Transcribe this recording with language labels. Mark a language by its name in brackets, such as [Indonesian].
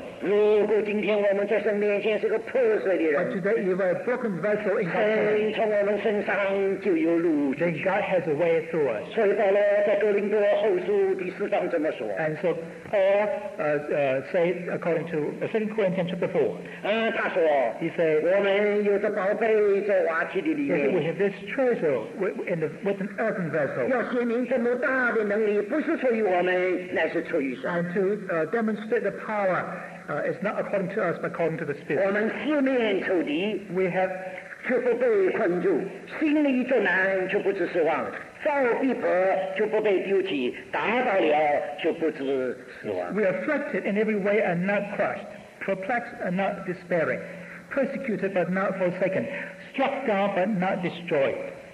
[English] But today if a broken vessel in God's hand, then God has a way through us. And so Paul say according to 2 Corinthians chapter 4. [Chinese] 他说, [English] he said, [Chinese] 我们有着宝贝在瓦器里面, [English] we have this treasure in the, with an earthen vessel. [Chinese] 要显明这么大的能力不是出于我们, [English] and to demonstrate the power is not according to us but according to the Spirit. [Chinese] 我们四面受敌, [English] we have [Chinese] 却不被困住, 心里就难却不知失望, 造必薄却不被丢弃, 达到了却不知失望。 [English] We are afflicted in every way and not crushed, perplexed and not despairing, persecuted but not forsaken, struck down but not destroyed.